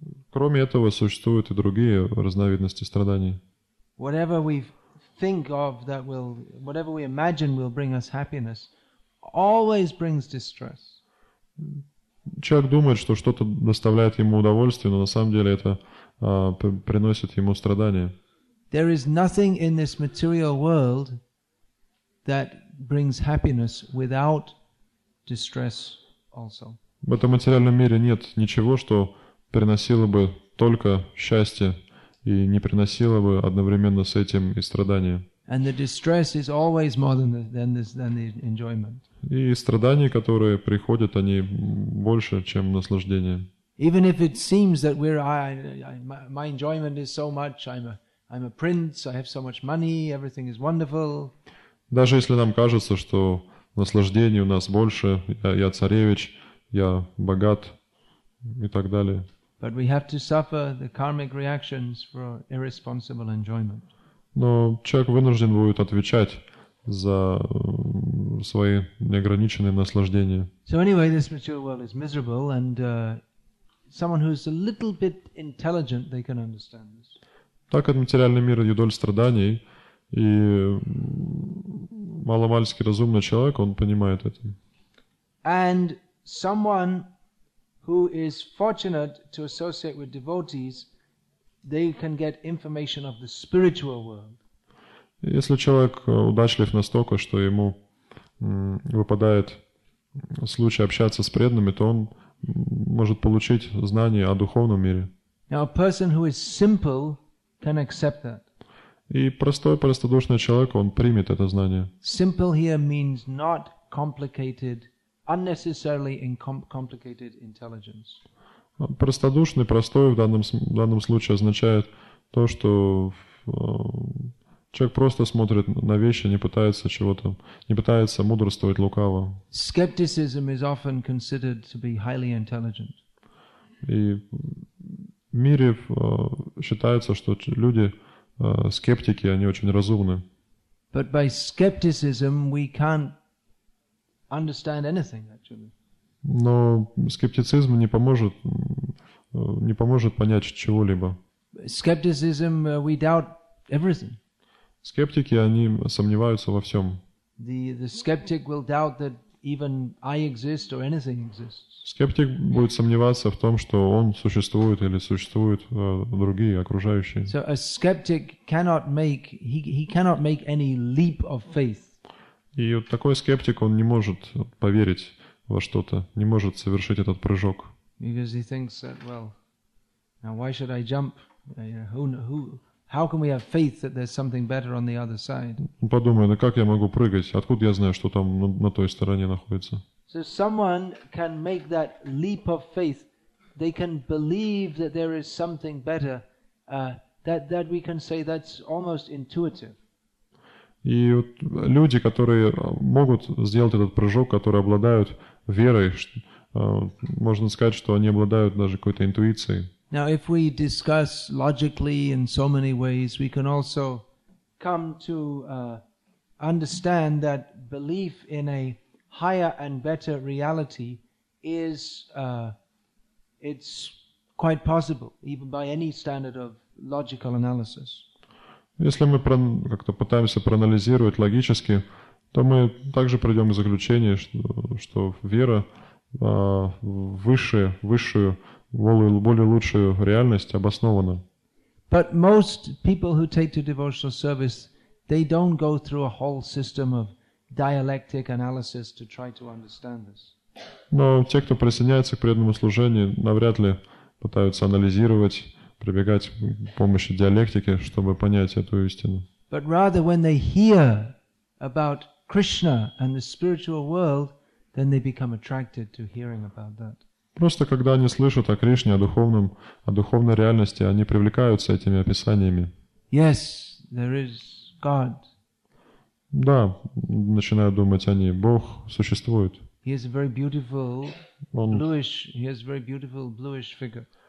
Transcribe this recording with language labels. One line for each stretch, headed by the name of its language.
Russian: Кроме этого, существуют и другие разновидности страданий.
English: Whatever we think of that will, whatever we imagine will bring us happiness, always brings distress.
Russian: Человек думает, что что-то доставляет ему удовольствие, но на самом деле это приносит ему страдания.
English: There is nothing in this material world that brings happiness without distress also.
Russian: В этом материальном мире нет ничего, что приносило бы только счастье и не приносило бы одновременно с этим и страдания.
English: And the distress is always more than the enjoyment.
Russian: И страдания, которые приходят, они больше, чем наслаждение.
English: Even if it seems that my enjoyment is so much, I'm a prince, I have so much money, everything is wonderful.
Russian: Даже если нам кажется, что наслаждений у нас больше, я царевич, я богат и так далее.
English: But we have to suffer the karmic reactions for irresponsible enjoyment.
Russian: Но человек вынужден будет отвечать за свои неограниченные наслаждения.
English: So anyway, this material world is miserable, and someone who is a little bit intelligent, they can understand this.
Russian: Так этот материальный мир юдоль страданий, и маломальски разумный человек, он понимает это.
English: And someone who is fortunate to associate with devotees, they can get information of the spiritual world.
Russian: Если человек удачлив настолько, что ему выпадает случай общаться с преданными, то он может получить знания о духовном мире.
English: Now, a person who is simple can accept that.
Russian: И простой, простодушный человек, он примет это знание.
English: Simple here means not complicated, unnecessarily complicated intelligence.
Russian: Простодушный, простой в данном случае означает то, что человек просто смотрит на вещи, не пытается мудрствовать лукаво.
English: Skepticism is often considered to be highly intelligent.
Russian: И в мире считается, что люди скептики, они очень разумны.
English: But by skepticism we can't understand anything, actually.
Russian: Но скептицизм не поможет понять чего-либо.
English: Skepticism, we doubt everything.
Russian: Скептики, они сомневаются во всем.
English: The skeptic will doubt that even I exist or anything exists.
Russian: Скептик будет сомневаться в том, что он существует или существуют другие окружающие.
English: So a skeptic cannot make any leap of faith.
Russian: И вот такой скептик, он не может поверить во что-то, не может совершить этот прыжок.
English: Because he thinks that, well, now why should I jump? How can we have faith that there's something better on the other side?
Russian: Подумай, ну как я могу прыгать? Откуда я знаю, что там на той стороне находится?
English: So someone can make that leap of faith. They can believe that there is something better. That we can say that's almost intuitive.
Russian: И вот люди, которые могут сделать этот прыжок, которые обладают верой, можно сказать, что они обладают даже какой-то интуицией.
English: Now, if we discuss logically in so many ways, we can also come to understand that belief in a higher and better reality is it's quite possible, even by any standard of logical analysis.
Russian: Если мы как-то пытаемся проанализировать логически, то мы также придем к заключению, что вера высшую, более лучшую реальность обоснована.
English: But most people who take to devotional service, they don't go through a whole system of dialectic analysis to try to understand this.
Russian: Но те, кто присоединяется к преданному служению, навряд ли пытаются анализировать, прибегать к помощи диалектики, чтобы понять эту истину.
English: But rather when they hear about Krishna and the spiritual world, then they become attracted to hearing about that.
Russian: Просто когда они слышат о Кришне, о духовной реальности, они привлекаются этими описаниями.
English: Yes, there is God.
Russian: Да, начинают думать они, Бог существует.
English: He has a very beautiful bluish. He has a very beautiful bluish figure.